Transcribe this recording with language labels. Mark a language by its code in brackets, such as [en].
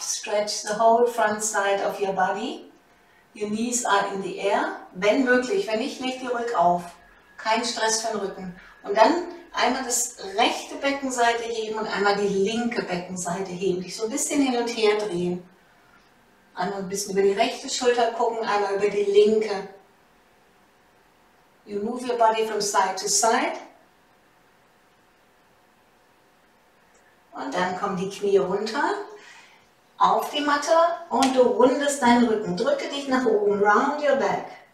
[en] Stretch the whole front side of your body. Your knees are in the air. [de] Wenn möglich, wenn nicht, leg die Rück auf. Kein Stress für den Rücken. Und dann einmal das rechte Beckenseite heben und einmal die linke Beckenseite heben. Dich so ein bisschen hin und her drehen. Einmal ein bisschen über die rechte Schulter gucken, einmal über die linke. [en] You move your body from side to side. [de] Und dann kommen die Knie runter auf die Matte und du rundest deinen Rücken. Drücke dich nach oben, [en] round your back.